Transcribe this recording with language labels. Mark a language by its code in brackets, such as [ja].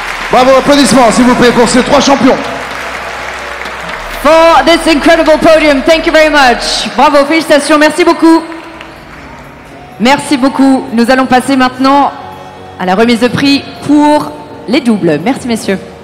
[fr] Bravo, applaudissements, s'il vous plaît, pour ces trois champions. [en] For this incredible podium, thank you very much. [fr] Bravo, félicitations, merci beaucoup. Merci beaucoup. Nous allons passer maintenant à la remise de prix pour les doubles. Merci, messieurs.